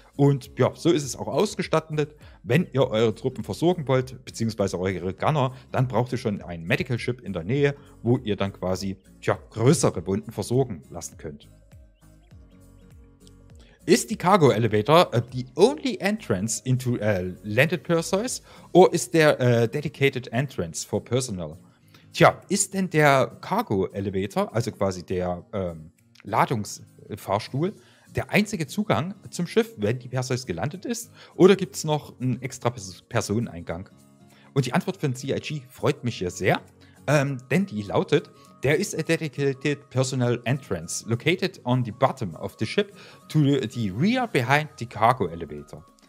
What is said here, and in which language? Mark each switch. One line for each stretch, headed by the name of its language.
German: Und ja, so ist es auch ausgestattet. Wenn ihr eure Truppen versorgen wollt, beziehungsweise eure Gunner, dann braucht ihr schon ein Medical Ship in der Nähe, wo ihr dann quasi größere Wunden versorgen lassen könnt.
English: Is the cargo elevator the only entrance into a landed Perseus or is there a dedicated entrance for personnel?
German: Tja, ist denn der Cargo Elevator, also quasi der Ladungsfahrstuhl, der einzige Zugang zum Schiff, wenn die Perseus gelandet ist? Oder gibt es noch einen extra Personeneingang? Und die Antwort von CIG freut mich ja sehr, denn die lautet:
English: There is a dedicated personnel entrance located on the bottom of the ship to the rear behind the cargo elevator.